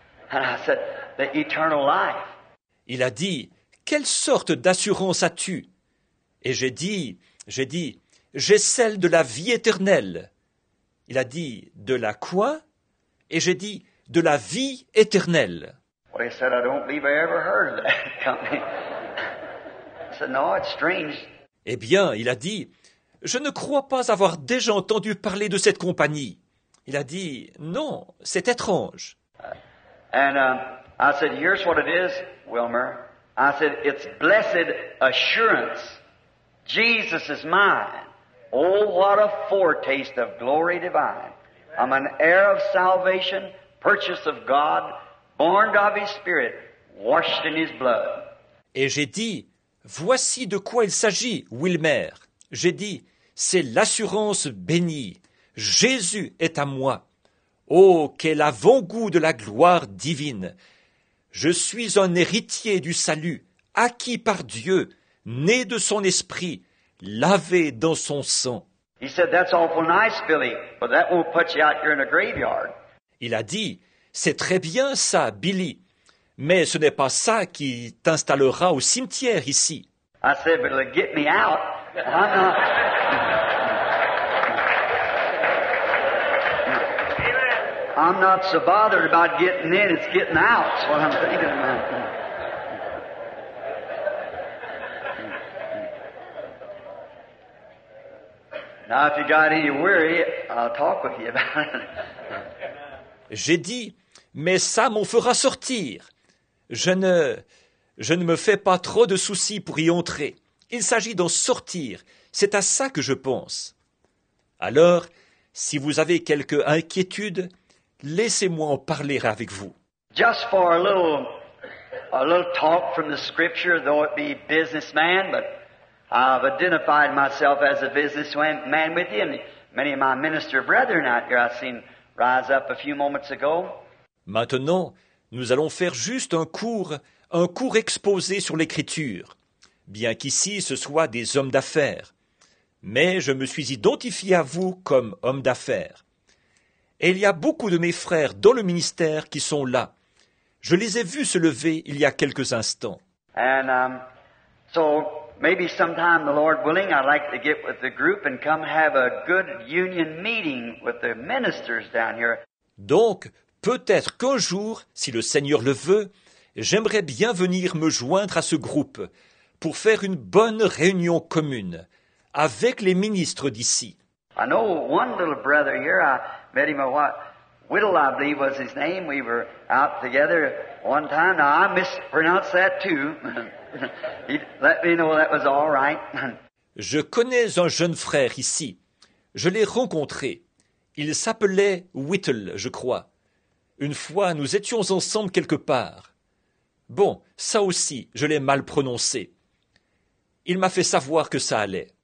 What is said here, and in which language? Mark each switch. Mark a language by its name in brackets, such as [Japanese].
[English] And I said, the eternal life. [French] Il a dit, quelle sorte d'assurance as-tu? Et j'ai dit, j'ai celle de la vie éternelle. Il a dit, de la quoi? Et j'ai dit, de la vie éternelle. [English] Well, he said, I don't believe I ever heard of that company. I said, no, it's strange. [French] Eh bien, il a dit, je ne crois pas avoir déjà entendu parler de cette compagnie. Il a dit, non, c'est étrange. [English] I said, here's what it is, Wilmer. I said, it's blessed assurance. Jesus is mine. Oh, what a foretaste of glory divine. I'm an heir of salvation, purchase of God, born of his spirit, washed in his blood. [French] Et j'ai dit, voici de quoi il s'agit, Wilmer. J'ai dit, c'est l'assurance bénie. Jésus est à moi. Oh, quel avant-goût de la gloire divine! Je suis un héritier du salut, acquis par Dieu, né de son esprit, lavé dans son sang. [English] He said, that's awful nice, Billy, but that won't put you out here in a graveyard. [French] Il a dit, c'est très bien ça, Billy, mais ce n'est pas ça qui t'installera au cimetière ici. [English] I said, but it'll get me out. I'm not... I'm not so bothered about getting in, it's getting out, that's what I'm thinking about. Now, if you got any worry, I'll talk with you about it. [French] J'ai dit, mais ça m'en fera sortir. Je ne me fais pas trop de soucis pour y entrer. Il s'agit d'en sortir, c'est à ça que je pense. Alors, si vous avez quelque inquiétude, laissez-moi en parler avec vous. [English] Just for a little talk from the scripture, though it be businessman, but I've identified myself as a businessman with you, and many of my minister brethren out here I've seen rise up a few moments ago. [French] Maintenant, nous allons faire juste un cours exposé sur l'écriture, bien qu'ici ce soit des hommes d'affaires. Mais je me suis identifié à vous comme homme d'affaires. Et il y a beaucoup de mes frères dans le ministère qui sont là. Je les ai vus se lever il y a quelques instants. [English] And so maybe sometime, the Lord willing, I'd like to get with the group and come have a good union meeting with the ministers down here. [French] Donc, peut-être qu'un jour, si le Seigneur le veut, j'aimerais bien venir me joindre à ce groupe pour faire une bonne réunion commune avec les ministres d'ici. [English] I know one little brother here. I met him a what? Whittle, I believe, was his name. We were out together one time. Now, I mispronounced that too. He let me know that was all right. [French] Je connais un jeune frère ici. Je l'ai rencontré. Il s'appelait Whittle, je crois. Une fois, nous étions ensemble quelque part. Bon, ça aussi, je l'ai mal prononcé. Il m'a fait savoir que ça allait.